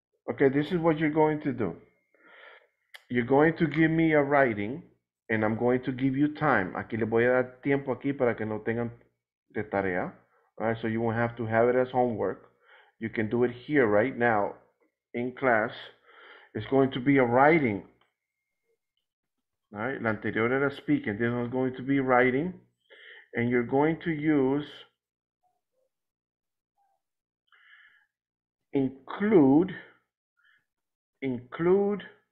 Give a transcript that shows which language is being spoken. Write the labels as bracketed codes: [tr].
[en] Okay, this is what you're going to do. You're going to give me a writing, and I'm going to give you time. [es] Aquí le voy a dar tiempo aquí para que no tengan de tarea. [en] All right, so you won't have to have it as homework. You can do it here right now in class. It's going to be a writing. All right, [es] la anterior era [en] speaking. This is going to be writing, and you're going to use include